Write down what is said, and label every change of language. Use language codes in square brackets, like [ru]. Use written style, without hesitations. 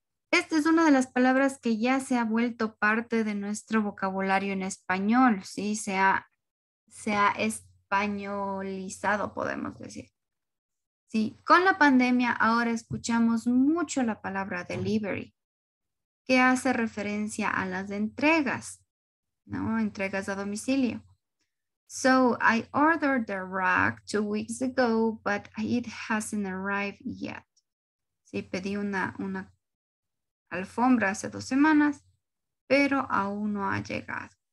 [es] Esta es una de las palabras que ya se ha vuelto parte de nuestro vocabulario en español, ¿sí? Se ha españolizado, podemos decir. Sí, con la pandemia ahora escuchamos mucho la palabra delivery, que hace referencia a las entregas, ¿no? Entregas a domicilio. [en] So, I ordered the rack 2 weeks ago, but it hasn't arrived yet. [es] Sí, pedí una alfombra hace dos semanas, pero aún no ha llegado.